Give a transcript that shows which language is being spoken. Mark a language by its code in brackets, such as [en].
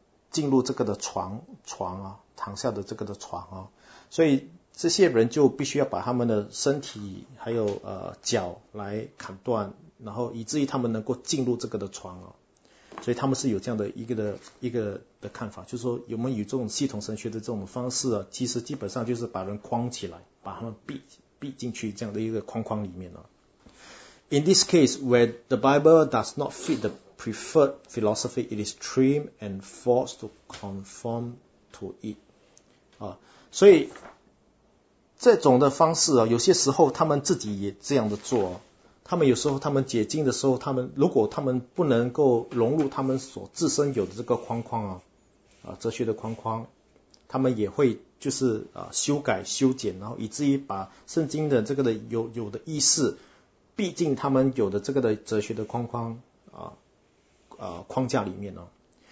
[zh] 进入这个的床躺下的这个的床所以这些人就必须要把他们的身体还有脚来砍断，然后以至于他们能够进入这个的床所以他们是有这样的一个的看法，就是说有没有这种系统神学的这种方式啊，其实基本上就是把人框起来，把他们逼进去这样的一个框框里面啊。 [en] In this case, where the Bible does not fit the preferred philosophy, it is trimmed and forced to conform to it. [zh] 啊，所以这种的方式啊，有些时候他们自己也这样的做。他们有时候他们解经的时候，他们如果他们不能够融入他们所自身有的这个框框啊，哲学的框框，他们也会就是修改修剪，然后以至于把圣经的这个的有的意思，毕竟他们有的这个的哲学的框框框架里面呢、啊。